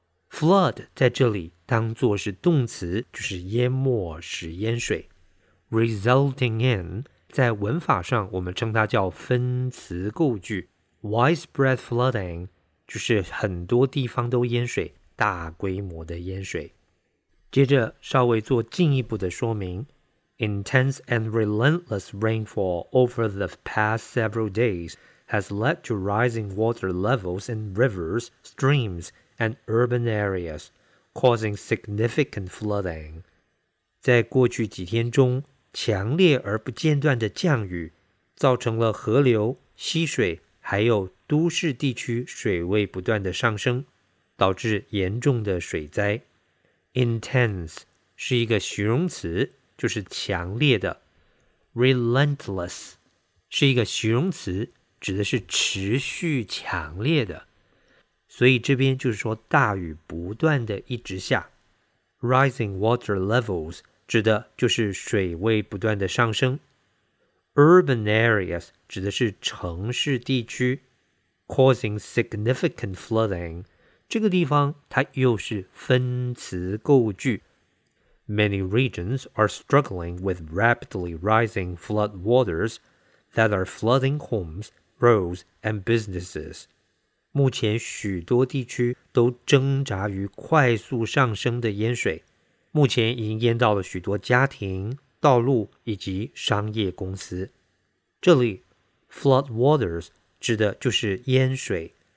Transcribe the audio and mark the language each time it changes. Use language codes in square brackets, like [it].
[zh] Flood 在这里当作是动词，就是淹没，使淹水。 [en] Resulting in [zh] 在文法上我们称它叫分词构句。 [en] Widespread flooding [zh] 就是很多地方都淹水，大规模的淹水。接着稍微做进一步的说明。 [en] Intense and relentless rainfall over the past several days. Has led to rising water levels in rivers, streams, and urban areas, causing significant flooding. [zh] 在过去几天中，强烈而不间断的降雨造成了河流、溪水还有都市地区水位不断的上升，导致严重的水灾。 Intense 是一个形容词，就是强烈的。 Relentless 是一个形容词。指的是持续强烈的，所以这边就是说大雨不断的一直下。 [en] Rising water levels [zh] 指的就是水位不断的上升。 [en] Urban areas [zh] 指的是城市地区。 [en] Causing significant flooding [zh] 这个地方它又是分词构句。 [en] Many regions are struggling with rapidly rising flood waters that are flooding homesroads and businesses. [zh] 目前许多地区都挣扎于快速上升的淹水，目前已经淹到了许多家庭、道路以及商业公司。这里 [en] flood waters [zh] 指的就是淹水。